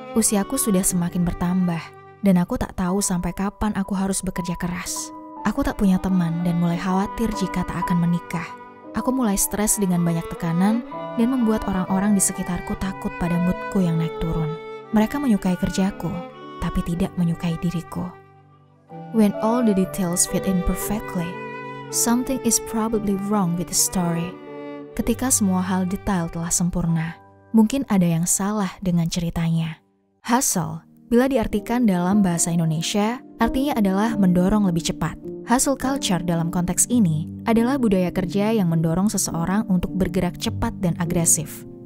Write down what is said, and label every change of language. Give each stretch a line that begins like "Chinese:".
Indonesian: Usiaku sudah semakin bertambah, dan aku tak tahu sampai kapan aku harus bekerja keras. Aku tak punya teman dan mulai khawatir jika tak akan menikah. Aku mulai stres dengan banyak tekanan dan membuat orang-orang di sekitarku takut pada moodku yang naik turun. Mereka menyukai kerjaku, tapi tidak menyukai diriku.
English: When all the details fit in perfectly, something is probably wrong with the story.
Indonesian: Ketika semua hal detail telah sempurna, mungkin ada yang salah dengan ceritanya. Hustle, bila diartikan dalam bahasa Indonesia, artinya adalah mendorong lebih cepat. Hustle culture dalam konteks ini adalah budaya kerja yang mendorong seseorang untuk bergerak cepat dan agresif.